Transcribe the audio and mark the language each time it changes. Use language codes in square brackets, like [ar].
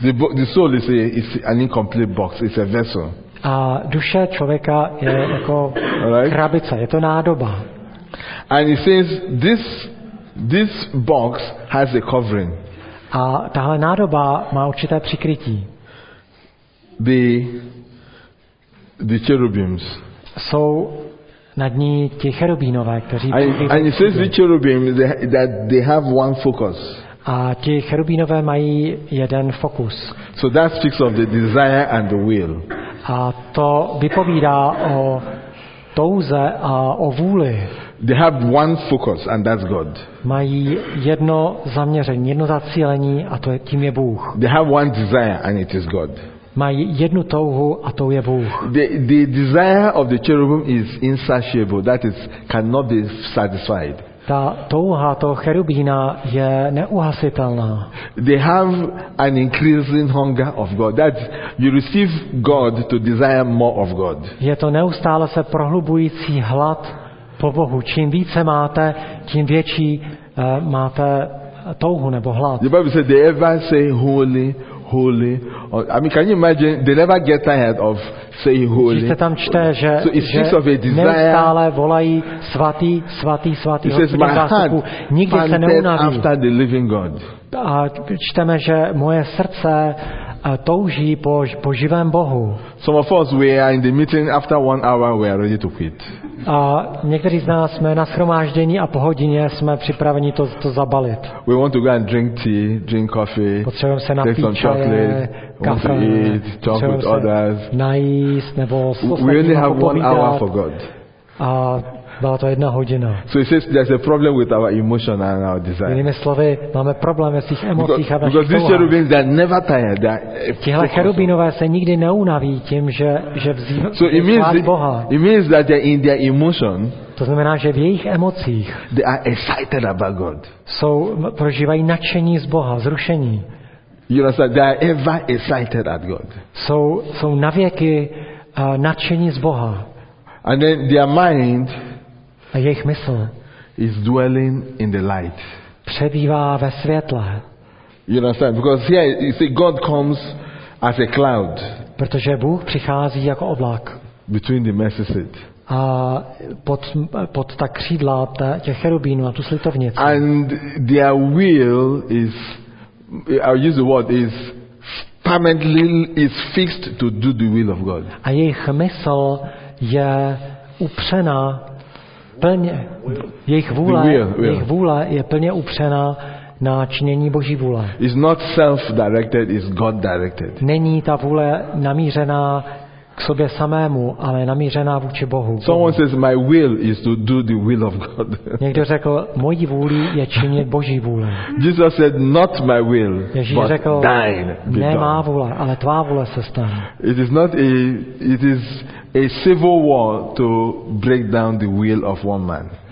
[en] The soul is an incomplete box. It's a vessel. [cs] A duše člověka je jako krabice. Je to nádoba. [en] And he says this box has a covering. [cs] A tahle nádoba má určité přikrytí. [en] The cherubims. [cs] Jsou nad ní ti cherubínové, kteří [en] And he says the cherubim that they have one focus. [cs] A ti cherubínové mají jeden fokus. [en] So that speaks of the desire and the will. [cs] A to vypovídá o touze a o vůli. [en] They have one focus and that's God. [cs] Mají jedno zaměření, jedno zacílení a to je tím je Bůh. [en] They have one desire and it is God. [cs] Mají jednu touhu a tou je Bůh. [en] The desire of the cherubim is insatiable. That is cannot be satisfied. [cs] Ta touha toho cherubína je neuhasitelná. [en] They have an increasing hunger of God. That you receive God to desire more of God. [cs] Je to neustále se prohlubující hlad po Bohu. Čím více máte, tím větší máte touhu nebo hlad. [en] The Bible says they ever say holy, holy. I mean, can you imagine? They never get tired of saying holy. [cs] Když se tam čte, že, [en] so it speaks of a desire. [cs] Neustále volají svatý, svatý, svatý. [en] It says my heart panted after the living God. [cs] A čteme, že moje srdce touží po živém Bohu. [en] Some of us we are in the meeting after 1 hour we are ready to quit. [cs] A někteří z nás jsme na shromáždění a po hodině jsme připraveni to zabalit. [en] We want to go and drink tea, drink coffee. [cs] Potřebujeme se napít čaje, kafe, [en] talk with others. [cs] Najíst nebo [en] we only have 1 hour for God. [cs] A byla to jedna hodina. [en] So it says there's a problem with our emotion and our desire. [cs] Jinými slovy, máme problém s těch emocích [en] because, [cs] a našich touhách. [en] Because these cherubim, they never tired. [cs] Tihle cherubinové se nikdy neunaví tím, že vzývají [en] so [cs] chvát Boha. [en] It means that they're in their emotion. [cs] To znamená, že v jejich emocích [en] they are excited about God. [cs] Jsou, prožívají nadšení z Boha, vzrušení. [en] You know, so they are ever excited at God. [cs] Jsou navěky nadšení z Boha. [en] And then their mind [cs] a jejich mysl [en] is dwelling in the light. [cs] Přebývá ve světle. [en] You understand? Because here you see God comes as a cloud. [cs] Protože Bůh přichází jako oblak. [en] Between the mercy seat. [cs] A pod ta křídla těch cherubínů a tu slitovnici. [en] And their will is, I'll use the word, is permanently is fixed to do the will of God. [cs] A jejich mysl je upřená plně, jejich vůle je plně upřená na činění Boží vůle. [en] It's not self-directed, it's God-directed. [cs] Není ta vůle namířená k sobě samému, ale namířená vůči Bohu. [en] Someone says my will is to do the will of God. [cs] Někdo řekl, mojí vůli je činit Boží vůli. [en] Jesus said not my will, [cs] Ježíš [en] but [cs] řekl, [en] thine [cs] be ne má vůle, ale tvá vůle se stane. [en] It is a civil war to break down the will of one man.